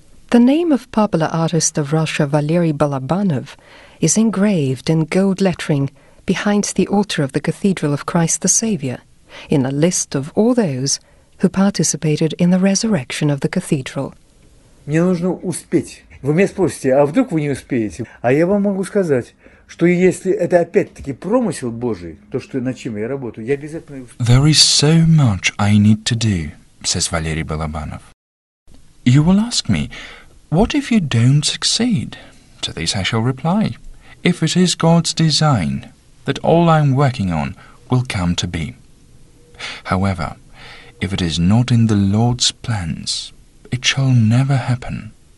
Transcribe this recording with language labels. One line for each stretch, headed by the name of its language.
English: The name of popular artist of Russia, Valery Balabanov, is engraved in gold lettering behind the altar of the Cathedral of Christ the Saviour, in a list of all those who participated in the resurrection of the cathedral.
Russian: Мне нужно успеть. Вы меня спросите, а вдруг вы не успеете? А я вам могу сказать, что если это опять-таки промысел Божий, то что над чем я работаю, я обязательно.
English: There is so much I need to do, says Valery Balabanov. You will ask me, what if you don't succeed? To this I shall reply, if it is God's design, that all I'm working on will come to be. However, if it is not in the Lord's plans, it shall never happen.